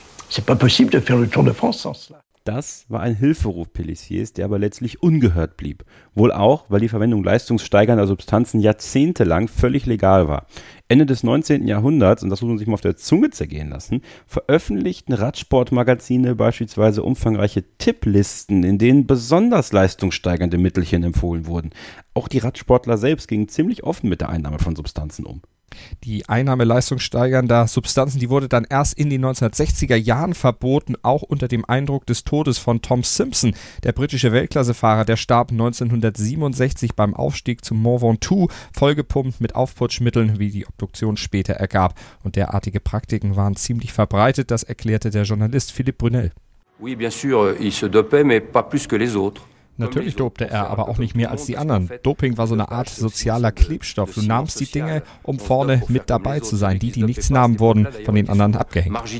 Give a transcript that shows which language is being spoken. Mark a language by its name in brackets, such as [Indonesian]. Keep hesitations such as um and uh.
[French] C'est pas possible de faire le Tour de France sans cela. [German] Das war ein Hilferuf Pellissiers, der aber letztlich ungehört blieb. Wohl auch, weil die Verwendung leistungssteigernder Substanzen jahrzehntelang völlig legal war. Ende des 19. Jahrhunderts, und das muss man sich mal auf der Zunge zergehen lassen, veröffentlichten Radsportmagazine beispielsweise umfangreiche Tipplisten, in denen besonders leistungssteigernde Mittelchen empfohlen wurden. Auch die Radsportler selbst gingen ziemlich offen mit der Einnahme von Substanzen um die Einnahmeleistung steigernder Substanzen, die wurde dann erst in den 1960er Jahren verboten, auch unter dem Eindruck des Todes von Tom Simpson, der britische Weltklassefahrer, der starb 1967 beim Aufstieg zum Mont Ventoux, vollgepumpt mit Aufputschmitteln, wie die Obduktion später ergab. Und derartige Praktiken waren ziemlich verbreitet, das erklärte der Journalist Philipp Brunel. [French] Oui, bien sûr, il se dopait, mais pas plus que les autres. [German] Natürlich dopte er, aber auch nicht mehr als die anderen. Doping war so eine Art sozialer Klebstoff. Du nahmst die Dinge, um vorne mit dabei zu sein. Die, die nichts nahmen, wurden von den anderen abgehängt.